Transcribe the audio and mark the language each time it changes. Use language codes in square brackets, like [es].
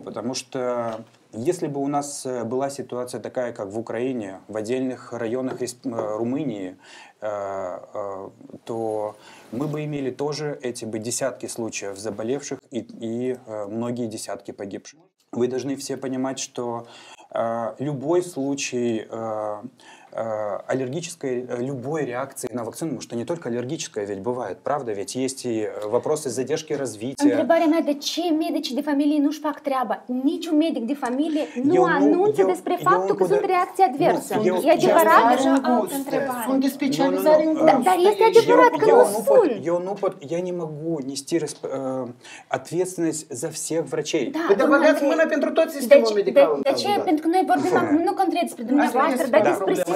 [ru] Потому что если бы у нас была ситуация такая, как в Украине, в отдельных районах Румынии, то мы бы имели тоже эти бы десятки случаев заболевших и многие десятки погибших. Вы должны все понимать, что любой случай аллергической, любой реакции на вакцину, потому что не только аллергическая ведь бывает, правда? Ведь есть и вопросы задержки развития. [ro] Întrebarea mea, de ce medicii de familie nu-și fac treaba? Niciun medic de familie nu anunță despre faptul că sunt reacții adverse. E adevărat? Sunt de specializare în guste. Dar este adevărat că nu sunt. Eu nu pot, [ru] я не могу нести ответственность за всех врачей. Да, [ro] băgați mâna pentru tot sistemul medical. De ce? Pentru că noi vorbim acum nu concret despre dumneavoastră, dar despre